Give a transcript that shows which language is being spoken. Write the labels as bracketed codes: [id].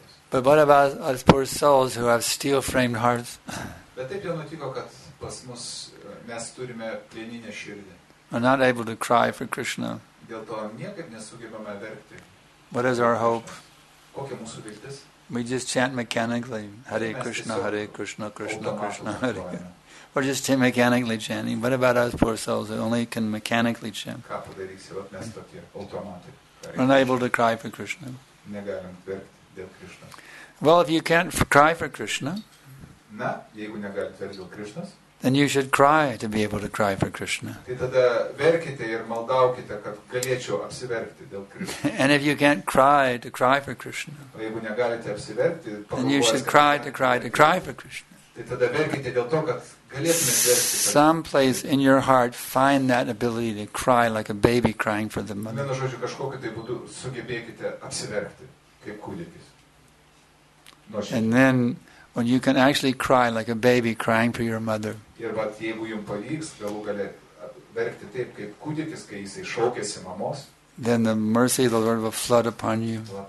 [en] But what about us poor souls who have steel-framed hearts? [lt] Bet taip jau nutiko, kad pas mus mes turime plieninę širdį. [en] We're not able to cry for Krishna. [lt] Dėl to niekaip nesugebame verkti. [en] What is our hope? [lt] Kokia mūsų viltis? [en] We just chant mechanically, Hare Krishna, Hare Krishna, Krishna Krishna, Hare Krishna. We're just mechanically chanting. What about us poor souls who only can mechanically chant? [lt] Ką padarysi, vat mes tokie automatai. [en] We're not able to cry for Krishna. [lt] Negalim verkti dėl Krishna. [en] Well, if you can't cry for Krishna, [lt] na, jeigu negalite verkti dėl Krishnas, [en] then you should cry to be able to cry for Krishna. [lt] Tai tada verkite ir maldaukite, kad galėčiau apsiverkti dėl Krishna. [en] And if you can't cry to cry for Krishna, [lt] jeigu negalite apsiverkti, [en] then you should cry to cry to cry for Krishna. [lt] Tai tada verkite dėl to, kad galėtumėte verkti. [en] Someplace in your heart find that ability to cry like a baby crying for the mother. [lt] Vienu žodžiu, kažkokiu tai būdu sugebėkite apsiverkti kaip kūdikis. [en] And then when you can actually cry like a baby crying for your mother. [lt] Ir bet jeigu jums pavyks galų gale verkti taip, kaip kūdikis, kai jisai šaukėsi mamos. [en] then the mercy of the Lord will flood upon you.